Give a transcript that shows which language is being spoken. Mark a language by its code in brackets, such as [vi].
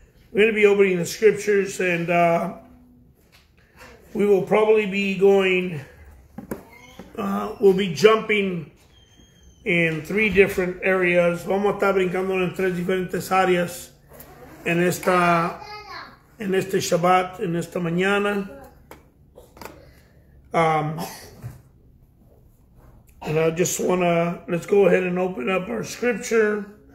[en] We'll be opening the scriptures and we will probably be going, we'll be jumping in three different areas. [es] Vamos a estar brincando en tres diferentes áreas en este Shabbat, en esta mañana. [en] And I just wanna, let's go ahead and open up our scripture.